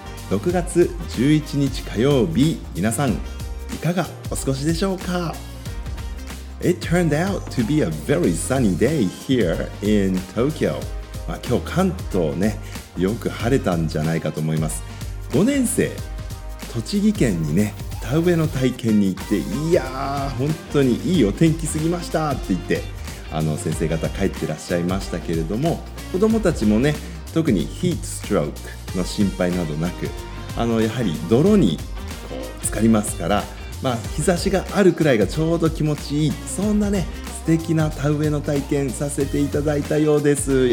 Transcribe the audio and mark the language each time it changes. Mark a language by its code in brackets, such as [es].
[ja] 6月11日火曜日、皆さん、いかがお過ごしでしょうか? [en] It turned out to be a very sunny day here in Tokyo. [ja] まあ、今日関東ね、よく晴れたんじゃないかと思います。 5年生、栃木県にね、田植えの体験に行って、いやー、本当にいいお天気すぎましたって言って、先生方帰ってらっしゃいましたけれども、子供たちもね、特にヒートストロークの心配などなく、やはり泥にこう浸かりますから、まあ、日差しがあるくらいがちょうど気持ちいい、そんなね、素敵な田植えの体験させていただいたようです。